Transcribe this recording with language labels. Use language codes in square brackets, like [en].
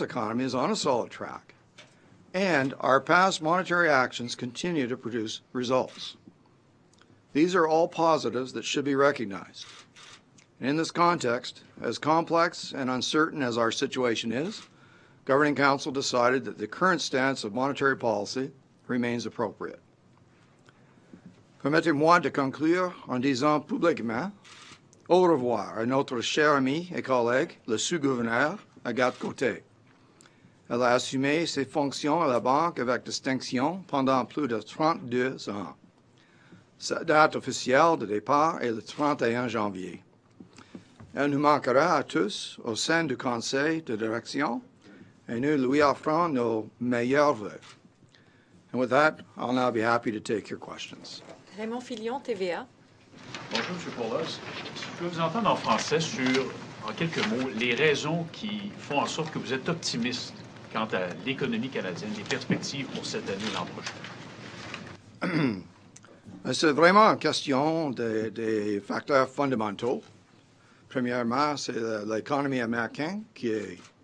[en] economy is on a solid track. And our past monetary actions continue to produce results. These are all positives that should be recognized. And in this context, as complex and uncertain as our situation is, Governing Council decided that the current stance of monetary policy remains appropriate. [fr] Permettez-moi de conclure en disant publiquement au revoir à notre cher ami et collègue, le sous-gouverneur Agathe-Côté. Elle a assumé ses fonctions à la banque avec distinction pendant plus de 32 ans. Sa date officielle de départ est le 31 janvier. Elle nous manquera à tous au sein du conseil de direction et nous lui offrons nos meilleurs voeux. [en] And with that, I'll now be happy to take your questions. [fr] Raymond Filion, TVA. Bonjour, M. Poloz. Je peux vous entendre en français sur, en quelques mots, les raisons qui font en sorte que vous êtes optimiste quant à l'économie canadienne, les perspectives pour cette année et l'an prochain. C'est vraiment une question des facteurs fondamentaux. Premièrement, c'est l'économie américaine qui est